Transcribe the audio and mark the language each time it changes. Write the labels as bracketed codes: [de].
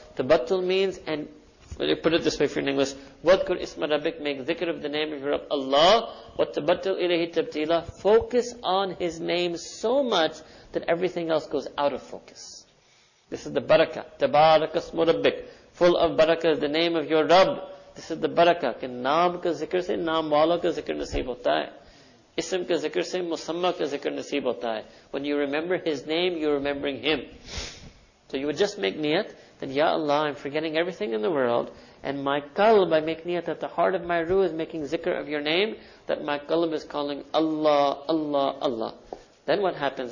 [en] Tabattul means, and put it this way for you in English, [ar] وَذْكُرْ إِسْمَ رَبِّكْ. [en] Make dhikr of the name of your Rabb Allah. [ar] وَتَبَتَّلْ إِلَيْهِ تَبْتِيلًا. [en] Focus on His name so much that everything else goes out of focus. This is the barakah. [ar] تَبَارَكَ اسْمُ رَبِّكْ. [en] Full of barakah is the name of your Rabb. This is the barakah. [ur] کے نام کا ذکر سے نام والا کا ذکر نصیب ہوتا ہے۔ اسم کا ذکر سے مسمیٰ کا ذکر نصیب ہوتا ہے۔ [en] When you remember His name, you're remembering Him. So you would just make niyat that, Ya Allah, I'm forgetting everything in the world, and my qalb, I make niyat that the heart of my ruh is making zikr of Your name, that my qalb is calling Allah, Allah, Allah. Then what happens?